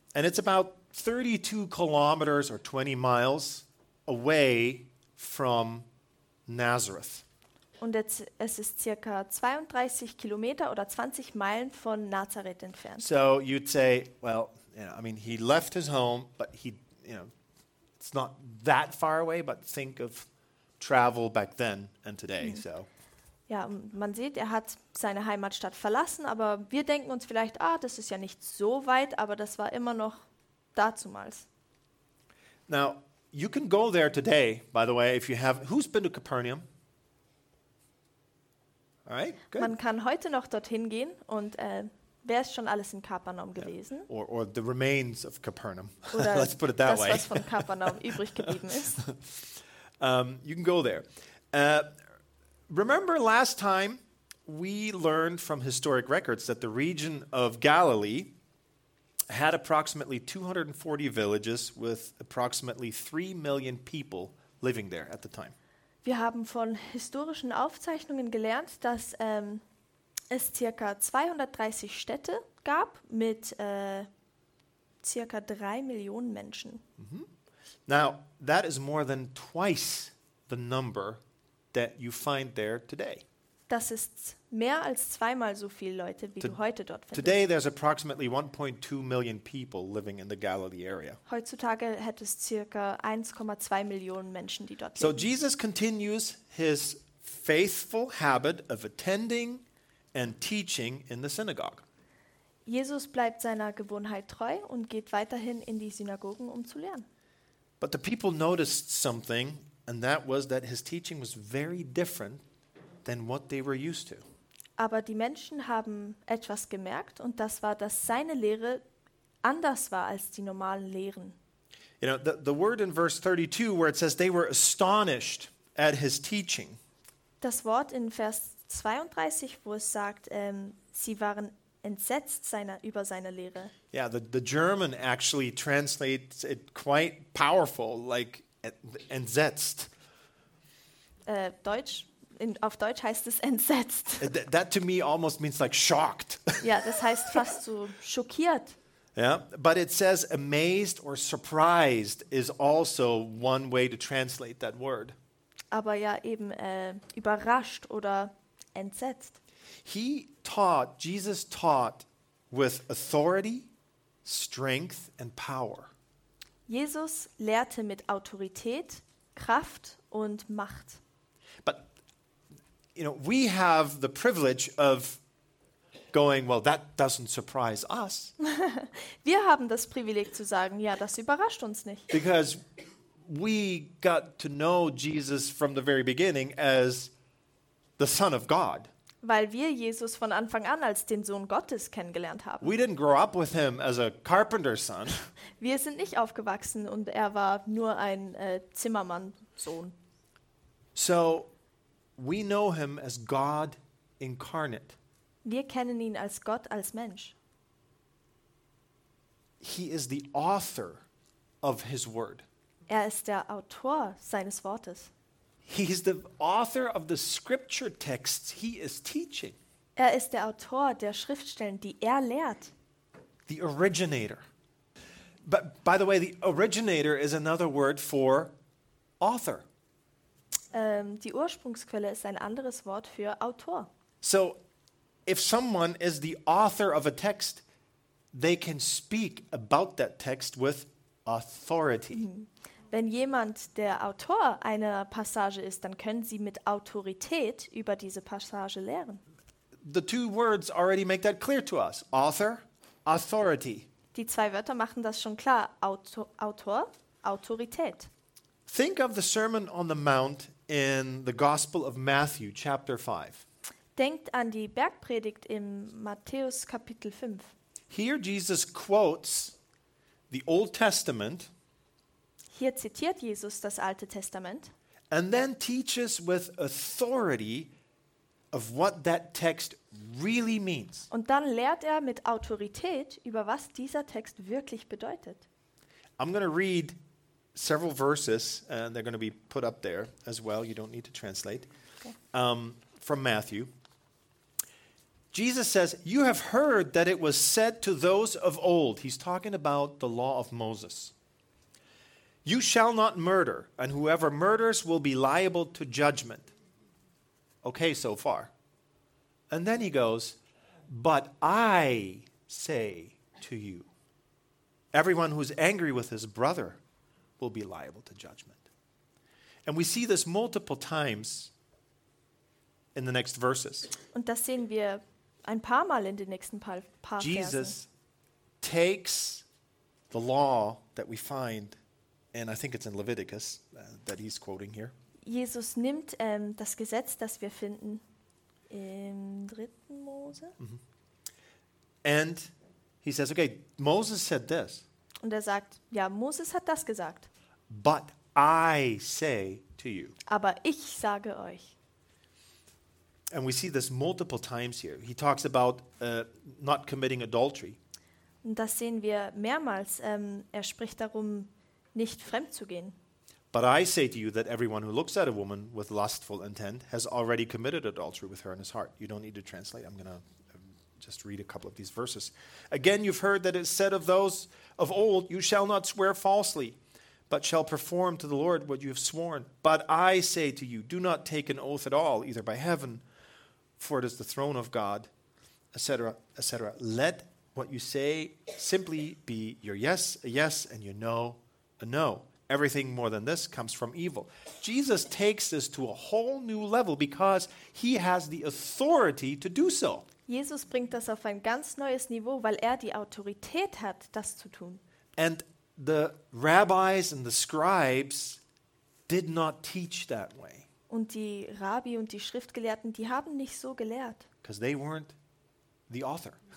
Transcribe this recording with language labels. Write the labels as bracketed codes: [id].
[en] And it's about 32 kilometers or 20 miles away from Nazareth. [de] Und es ist circa 32 Kilometer oder 20 Meilen von Nazareth entfernt. [en] So you'd say, well, you know, I mean, he left his home, but he, you know, it's not that far away, but think of travel back then and today, so. [de] Ja, man sieht, er hat seine Heimatstadt verlassen, aber wir denken uns vielleicht, ah, das ist ja nicht so weit, aber das war immer noch dazumals. [en] Now, you can go there today, by the way, if you have, who's been to Capernaum? All right, good. [de] Man kann heute noch dorthin gehen und wer ist schon alles in Kapernaum gewesen? [en] Yeah. Or the remains of Capernaum. [de] Oder [en] let's put it that [de] das, [en] way. [de] Was von Kapernaum übrig geblieben ist. [en] You can go there. Remember last time we learned from historic records that the region of Galilee had approximately 240 villages with approximately 3 million people living there at the time. [de] Wir haben von historischen Aufzeichnungen gelernt, dass es circa 230 Städte gab mit circa 3 Millionen Menschen. Mm-hmm. [en] Now, that is more than twice the number that you find there today. [de] Das ist mehr als zweimal so viele Leute, wie du heute dort findest. [en] Today there's approximately 1.2 million people living in the Galilee area. [de] Heutzutage hätte es circa 1,2 Millionen Menschen, die dort leben. [en] So Jesus continues his faithful habit of attending and teaching in the synagogue. [de] Jesus bleibt seiner Gewohnheit treu und geht weiterhin in die Synagogen, um zu lernen. [en] But the people noticed something, and that was that his teaching was very different than what they were used to. [de] Aber die Menschen haben etwas gemerkt, und das war, dass seine Lehre anders war als die normalen Lehren. [en] You know, the word in verse 32 where it says they were astonished at his teaching. [de] Das Wort in Vers 32, wo es sagt, sie waren entsetzt über seine Lehre. [en] Yeah, the German actually translates it quite powerful, like entsetzt. [de] Auf Deutsch heißt es entsetzt. [en] That to me almost means like shocked. [de] Yeah, das heißt fast so schockiert. [en] Yeah, but it says amazed or surprised is also one way to translate that word. [de] Aber ja, eben überrascht oder entsetzt. [en] Jesus taught with authority, strength and power. [de] Jesus lehrte mit Autorität, Kraft und Macht. [en] But, you know, we have the privilege of going, well, that doesn't surprise us. [de] Wir haben das Privileg zu sagen, ja, das überrascht uns nicht. [en] Because we got to know Jesus from the very beginning as the Son of God. [de] Weil wir Jesus von Anfang an als den Sohn Gottes kennengelernt haben. [en] We didn't grow up with him as a carpenter's son. [de] Wir sind nicht aufgewachsen und er war nur ein Zimmermannsohn. [en] So we know him as God incarnate. [de] Wir kennen ihn als Gott, als Mensch. [en] He is the author of his word. [de] Er ist der Autor seines Wortes. [en] He is the author of the scripture texts he is teaching. [de] Er ist der Autor der Schriftstellen, die er lehrt. [en] The originator. But by the way, the originator is another word for author. [de] Die Ursprungsquelle ist ein anderes Wort für Autor. [en] So if someone is the author of a text, they can speak about that text with authority. [de] Wenn jemand der Autor einer Passage ist, dann können sie mit Autorität über diese Passage lehren. [en] The two words already make that clear to us. Author, authority. [de] Die zwei Wörter machen das schon klar. Autor, Autorität. [en] Think of the Sermon on the Mount in the Gospel of Matthew, chapter 5. [de] Denkt an die Bergpredigt im Matthäus Kapitel 5. [en] Here Jesus quotes the Old Testament. [de] Hier zitiert Jesus das Alte Testament. [en] And then teaches with authority of what that text really means. [de] Und dann lehrt er mit Autorität über was dieser Text wirklich bedeutet. [en] I'm going to read several verses and they're going to be put up there as well. You don't need to translate. Okay. From Matthew. Jesus says, "You have heard that it was said to those of old." He's talking about the law of Moses. "You shall not murder, and whoever murders will be liable to judgment." Okay, so far. And then he goes, "But I say to you, everyone who's angry with his brother will be liable to judgment." And we see this multiple times in the next verses. [de] Und das sehen wir ein paar Mal in den nächsten paar Versen. [en] Jesus takes the law that we find, and I think it's in Leviticus that he's quoting here. [de] Jesus nimmt das Gesetz, das wir finden im dritten Mose. Mm-hmm. [en] And he says, okay, Moses said this. [de] Und er sagt, ja, Moses hat das gesagt. [en] But I say to you. [de] Aber ich sage euch. [en] And we see this multiple times here. He talks about not committing adultery. [de] Und das sehen wir mehrmals. Er spricht darum, nicht fremd zu gehen. [en] But I say to you that everyone who looks at a woman with lustful intent has already committed adultery with her in his heart. You don't need to translate. I'm going to just read a couple of these verses. Again, you've heard that it's said of those of old, "You shall not swear falsely, but shall perform to the Lord what you have sworn. But I say to you, do not take an oath at all, either by heaven, for it is the throne of God," etc., etc. Let what you say simply be your yes, a yes, and your no, a no. Everything more than this comes from evil. Jesus takes this to a whole new level because he has the authority to do so. [de] Jesus bringt das auf ein ganz neues Niveau, weil er die Autorität hat, das zu tun. [en] And the rabbis and the scribes did not teach that way. [de] Und die Rabbi und die Schriftgelehrten, die haben nicht so gelehrt. [en] Because they weren't the author.